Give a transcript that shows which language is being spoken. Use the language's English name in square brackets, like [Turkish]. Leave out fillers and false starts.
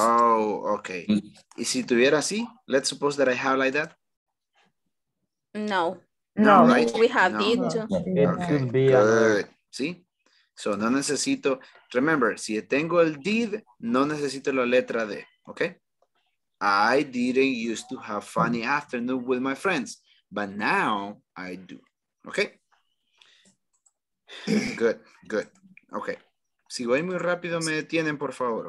[English] Oh, okay. Use. [Spanish] ¿Y si tuviera así? [English] Let's suppose that I have like that. No. No, no, right? We have no. It. It could be a good. [Spanish] ¿Sí? So, no necesito. Remember, si tengo el did, no necesito la letra D. Okay? [English] I didn't used to have funny afternoon with my friends, but now I do. Okay. Good, good. Okay. [Spanish] Si voy muy rápido, me detienen, por favor.